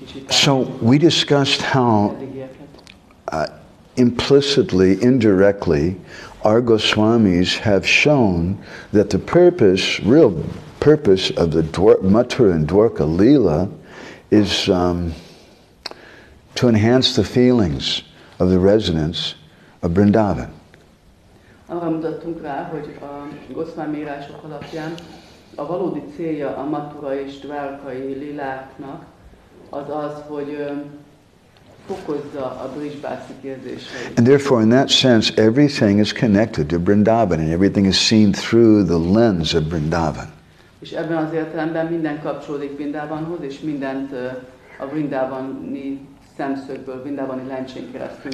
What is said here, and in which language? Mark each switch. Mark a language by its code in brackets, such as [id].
[en] So we discussed how implicitly, indirectly, our Goswamis have shown that the purpose, real purpose of the Mathura and Dwarka Leela is to enhance the feelings of the residents of Vrindavan. [hu] Arra mutattunk rá, hogy a Goswami írások alapján a valódi célja a Mathura és Dwarkai Leeláknak az az, hogy fokozza a Brijbászik érzéseit. [en] And therefore, in that sense, everything is connected to Vrindavan and everything is seen through the lens of Vrindavan. [hu] És ebben az értelemben minden kapcsolódik Vrindavanhoz, és mindent a Vrindavani szemszögből, Vrindavani lencsén keresztül.